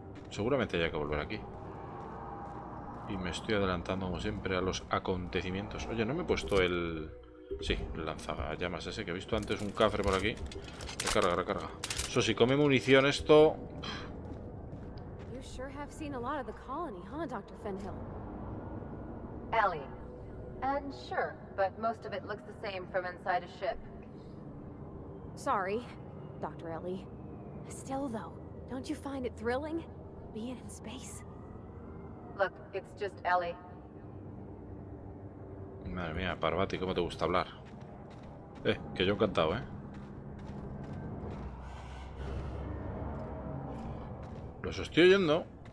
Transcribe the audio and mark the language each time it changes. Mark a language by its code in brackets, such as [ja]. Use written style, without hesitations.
[es] Seguramente haya que volver aquí. Y me estoy adelantando, como siempre, a los acontecimientos. Oye, no me he puesto el... Sí, lanzallamas ese que he visto antes. Un cafre por aquí. Recarga, recarga. Eso, si come munición esto... [en] Seen a lot of the colony, huh, Dr. Fenhill? Ellie. And sure, but most of it looks the same from inside a ship. Sorry, Dr. Ellie. Still, though, don't you find it thrilling being in space? Look, it's just Ellie. [es] Madre mía, Parvati, ¿cómo te gusta hablar? Que yo encantado, ¿eh? Los estoy oyendo.